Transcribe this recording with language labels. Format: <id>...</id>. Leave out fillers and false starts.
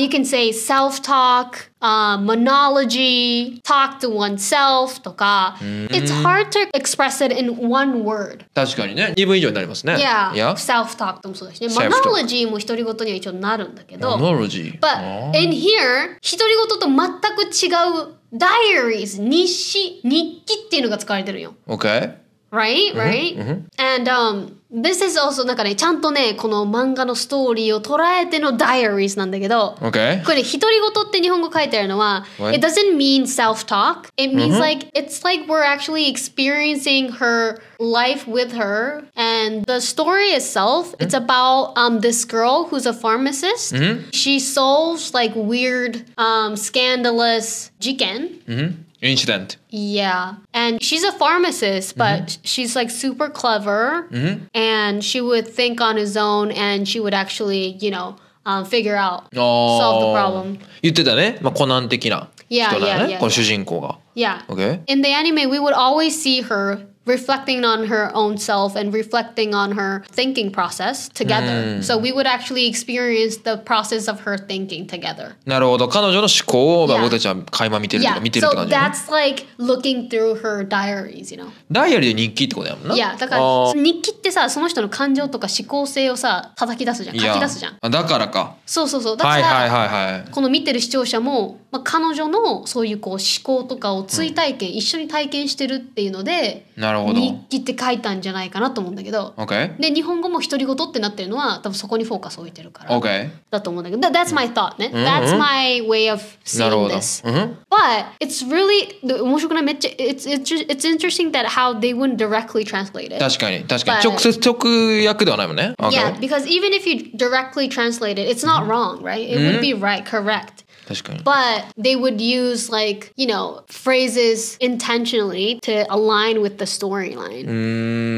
<en>You can say self talk monology talk to oneself とか、 mm-hmm. it's hard to express it in one word</en> <ja>確かにね2分以上になりますね</ja> <en>yeah, yeah.</en> <ja>self talk もそうだし、ね、monology も独り言には一応なるんだけど</ja> <en>monology but in here</en> <ja>独り言と全く違う diaries 日記っていうのが使われてるよ</ja> <en>okay Right, right. Mm-hmm. And this is also</en> <ja>なんかね、ちゃんとね、この漫画のストーリーを捉えてのダイアリーなんだけど。</ja> <en>Okay.</en> <ja>これ、ね、独り言って日本語書いてあるのは、</ja> <en>What? It doesn't mean self-talk. It means、mm-hmm. like, it's like we're actually experiencing her life with her. And the story itself,、mm-hmm. it's about this girl who's a pharmacist.、 Mm-hmm. She solves like weird, scandalous 事件。 Incident. Yeah. And she's a pharmacist, but、mm-hmm. she's like super clever、 mm-hmm. and she would think on his own and she would actually, you know,、figure out,、 oh. solve the problem.</en> <ja>言ってたね。まあ、コナン的な人だ</ja> <en>ね。Yeah, yeah, yeah.</en> <ja>この主人公が。</ja> <en>Yeah. Okay. In the anime, we would always see her reflecting on her own self and reflecting on her thinking process together.、 So we would actually experience the process of her thinking together.</en> <ja>なるほど。彼女の思考を、yeah. 僕たちは垣間見てるとか、</ja> <en>yeah.</en> <ja>見てるって感じ、ね、</ja> <en>So that's like looking through her diaries, you know.</en> <ja>ダイアリーで日記ってことやもんな。いや、だから日記ってさ、その人の感情とか思考性をさ、叩き出すじゃん。書き出すじゃん。だからか。そうそうそう。だから、はいはいはいはい、この見てる視聴者も、まあ、彼女のそういうこう思考とかを追体験、うん、一緒に体験してるっていうのでなるほど日記って書いたんじゃないかなと思うんだけど、</ja> <en>okay.</en> <ja>で日本語も独り言ってなってるのは多分そこにフォーカス置いてるから、</ja> <en>okay.</en> <ja>だと思うんだけど</ja> <en>That's my thought ね、うん、That's my way of seeing this、</en> <ja>うん、</ja> <en>But it's really</en> <ja>面白くないめっちゃ</ja> <en>it's interesting that how they wouldn't directly translate it</en> <ja>確かに確かに直接直訳ではないもんね、okay.</ja> <en>Yeah, because even if you directly translate it it's not wrong, right? It would be right, correct But they would use like, you know, phrases intentionally to align with the storyline.</en>